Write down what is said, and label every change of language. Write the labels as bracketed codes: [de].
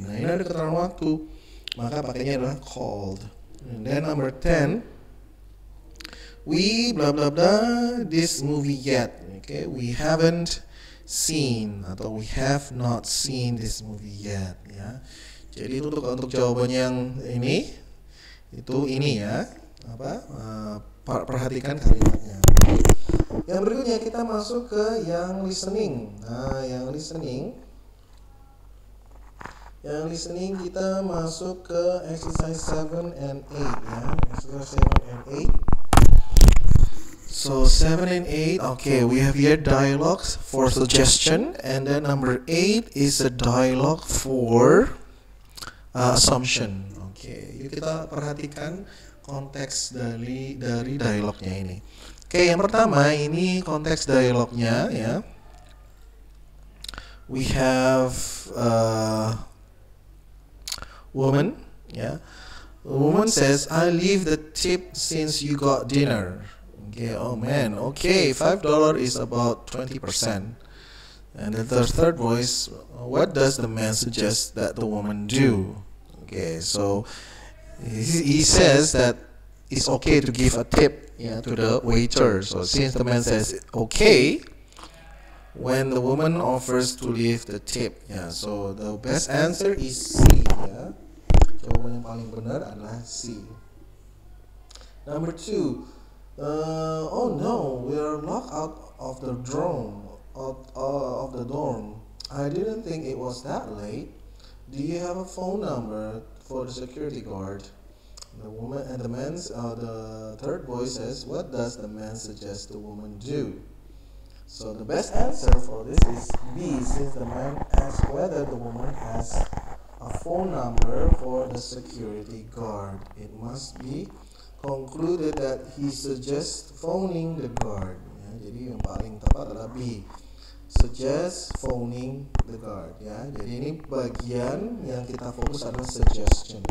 [id] Nah, ini ada keterangan waktu, maka pakainya adalah called. [en] And then number 10, we blah blah blah this movie yet. Okay, we haven't seen [id] atau [en] we have not seen this movie yet, ya. [id] Jadi itu untuk jawaban yang ini, itu ini ya, apa, perhatikan kalimatnya. Yang berikutnya kita masuk ke yang listening. Nah, yang listening kita masuk ke exercise 7 and 8 ya. [en] Exercise 7 and 8. So 7 and 8, okay, we have here dialogues for suggestion, and then number 8 is a dialogue for assumption. [id] Okay, yuk kita perhatikan konteks dari dialognya ini. Oke, yang pertama ini konteks dialognya ya. [en] We have a woman, ya. A woman says, "I leave the tip since you got dinner." Okay, oh man. Okay, $5 is about 20%. And the third voice, "What does the man suggest that the woman do?" Okay, so he says that it's okay to give a tip. Yeah, to the waiter. So since the man says okay, when the woman offers to leave the tip, yeah. So the best answer is C. [id] Yeah, jawaban yang paling benar adalah C. [en] Number two. Oh no, we are locked out of the dorm. Of the dorm. I didn't think it was that late. Do you have a phone number for the security guard? The woman and the third boy says, "What does the man suggest the woman do?" So the best answer for this is B, since the man asks whether the woman has a phone number for the security guard. It must be concluded that he suggests phoning the guard. [id] Ya, jadi yang paling tepat adalah B, [en] suggests phoning the guard. [id] Ya, jadi ini bagian yang kita fokus adalah suggestion.